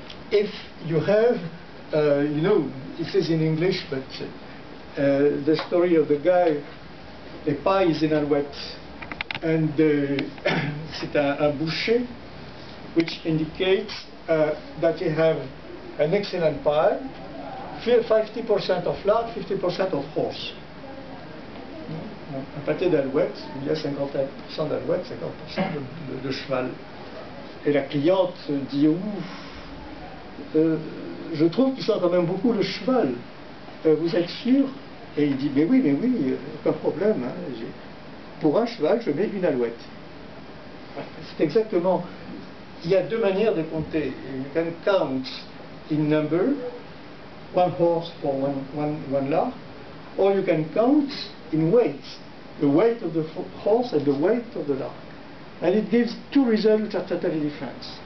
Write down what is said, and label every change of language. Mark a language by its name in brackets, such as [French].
[English] If you have, you know, it says in English, but the story of the guy, a pie is in alouette, and [French] c'est un boucher, [English] which indicates that you have an excellent pie, 50% of lard, 50% of horse. [French] Un pâté d'alouette, il y a 50% d'alouette, 50% de cheval. Et la cliente dit, ouf, je trouve qu'il sent quand même beaucoup le cheval. Vous êtes sûr? Et il dit, mais oui, aucun problème. Hein, pour un cheval, je mets une alouette. C'est exactement... Il y a deux manières de compter. [English] You can count in number, one horse for one lard, or you can count in weight, the weight of the horse and the weight of the lard. And it gives two results which are totally different.